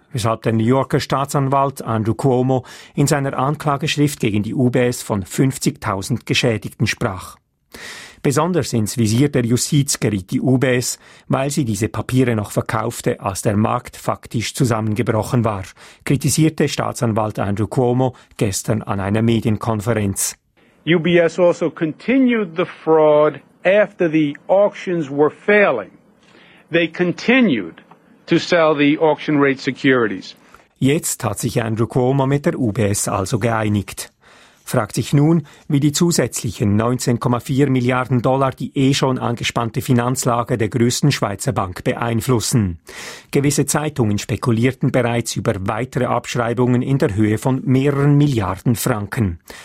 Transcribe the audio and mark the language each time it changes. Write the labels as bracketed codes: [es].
[de] Weshalb der New Yorker Staatsanwalt Andrew Cuomo in seiner Anklageschrift gegen die UBS von 50.000 Geschädigten sprach. Besonders ins Visier der Justiz geriet die UBS, weil sie diese Papiere noch verkaufte, als der Markt faktisch zusammengebrochen war, kritisierte Staatsanwalt Andrew Cuomo gestern an einer Medienkonferenz. [en] UBS also continued the fraud after the auctions were failing. They continued to sell the auction rate securities. [de] Jetzt hat sich Andrew Cuomo mit der UBS also geeinigt. Fragt sich nun, wie die zusätzlichen 19,4 Milliarden Dollar die eh schon angespannte Finanzlage der größten Schweizer Bank beeinflussen. Gewisse Zeitungen spekulierten bereits über weitere Abschreibungen in der Höhe von mehreren Milliarden Franken.